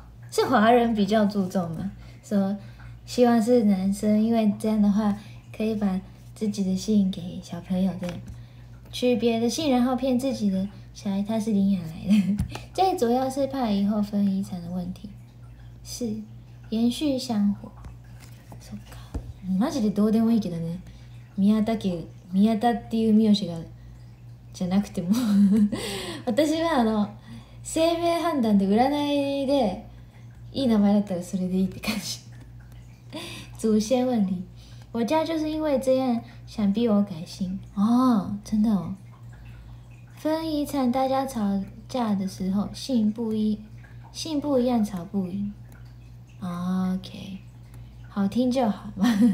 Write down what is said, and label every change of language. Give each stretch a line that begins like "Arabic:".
Chinese: 是华人比较注重吗？说希望是男生，因为这样的话可以把自己的姓给小朋友，这样取别的姓，然后骗自己的小孩他是领养来的。最主要是怕以后分遗产的问题，是延续香火。
Japanese: マジでどうでもいいけどね、宮田っていう名字がじゃなくても私は生命判断で占いでいい名前だったらそれでいいって感じ。
Chinese: 祖先问题，我家就是因为这样想逼我改姓。哦，真的哦。分遗产大家吵架的时候姓不一样吵不赢。 OK。 好听就好嘛。